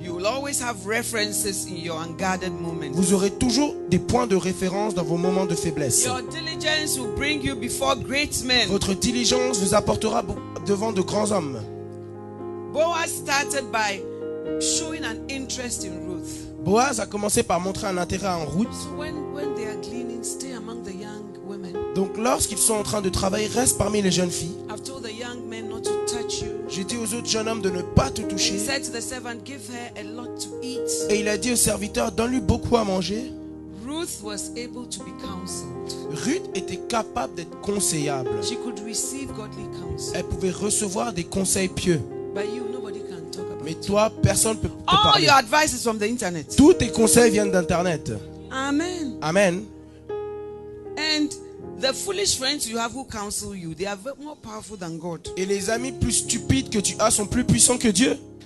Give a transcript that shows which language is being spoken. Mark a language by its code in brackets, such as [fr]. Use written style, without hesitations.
[en] You will always have references in your unguarded moments. [fr] Vous aurez toujours des points de référence dans vos moments de faiblesse. [en] Your diligence will bring you before great men. [fr] Votre diligence vous apportera devant de grands hommes. [en] Boaz started by showing an interest in Ruth. [fr] Boaz a commencé par montrer un intérêt en Ruth. [en] When they are cleaning, stay among the young women. [fr] Donc lorsqu'ils sont en train de travailler, reste parmi les jeunes filles. [en] I've told the young men not to touch you. [fr] J'ai dit aux autres jeunes hommes de ne pas te toucher. [en] He said to the servant, give her a lot to eat. [fr] Et il a dit au serviteur, donne-lui beaucoup à manger. [en] Ruth was able to be counseled. [fr] Ruth était capable d'être conseillable. [en] She could receive godly counsel. [fr] Elle pouvait recevoir des conseils pieux. [en] But you, nobody can talk about. [fr] Mais toi, personne ne peut [en] all [fr] te parler. [en] Your advice is from the internet. [fr] Tous tes conseils viennent d'Internet. [en] Amen. [fr] Amen. [en] And the foolish friends you have who counsel you, they are more powerful than God. [fr] Et les amis plus stupides que tu as sont plus puissants que Dieu.